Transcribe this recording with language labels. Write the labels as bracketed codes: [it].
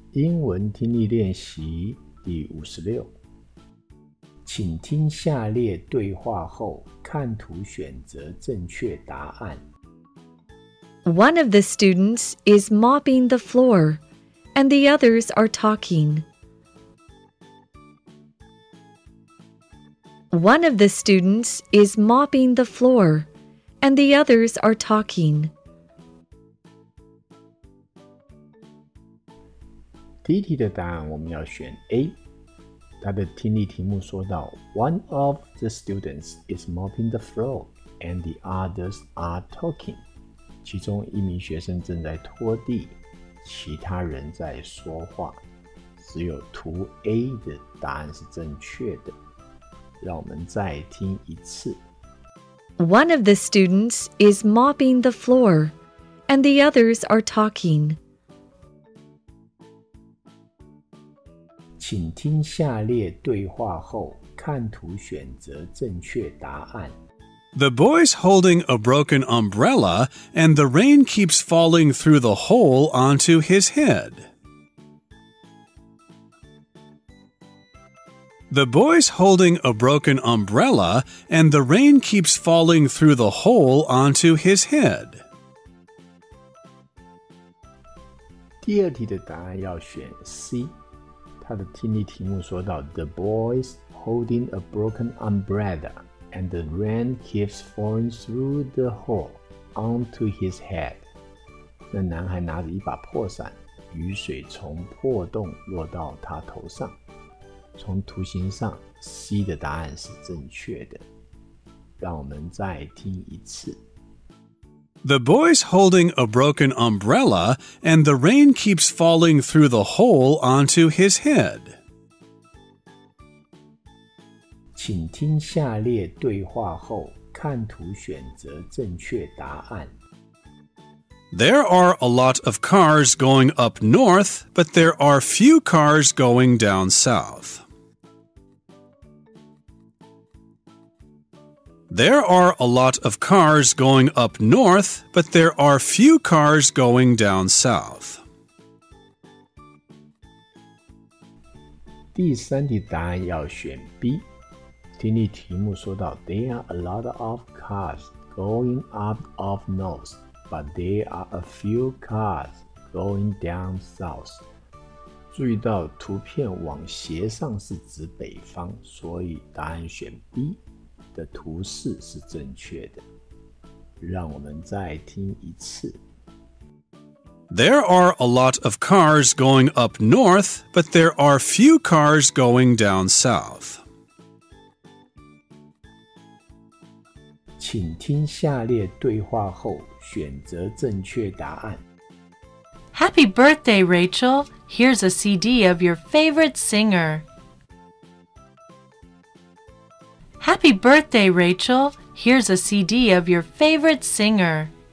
[zh] 英文听力练习第56，请听下列对话后看图选择正确答案。 [en] One of the students is mopping the floor, and the others are talking. One of the students is mopping the floor, and the others are talking. [zh] 第一题的答案我们要选 A， 它的听力题目说到 [en] One of the students is mopping the floor and the others are talking， [zh] 其中一名学生正在拖地，其他人在说话，只有图 A 的答案是正确的。让我们再听一次。 [en] One of the students is mopping the floor and the others are talking. [zh] 请听下列对话后看图选择正确答案。 [en] The boy's holding a broken umbrella and the rain keeps falling through the hole onto his head. The boy's holding a broken umbrella and the rain keeps falling through the hole onto his head. [zh] 第二题的答案要选 C。他的听力题目说到 [en] The boy's holding a broken umbrella and the rain keeps falling through the hole onto his head. [zh] 那男孩拿着一把破伞，雨水从破洞落到他头上。从图形上 ,C 的答案是正确的。让我们再听一次。 [en] The boy's holding a broken umbrella, and the rain keeps falling through the hole onto his head. [zh] 请听下列对话后看图选择正确答案。 [en] There are a lot of cars going up north, but there are few cars going down south. There are a lot of cars going up north, but there are few cars going down south. [zh] 第三题答案要选 B。听力题目说到 [en] There are a lot of cars going up of north, but there are a few cars going down south. [zh] 注意到图片往斜上是指北方，所以答案选 B。的图示是正确的。让我们再听一次。 [en] There are a lot of cars going up north, but there are few cars going down south. [zh] 请听下列对话后选择正确答案。 [en] Happy birthday, Rachel. Here's a CD of your favorite singer. Happy birthday, Rachel. Here's a CD of your favorite singer.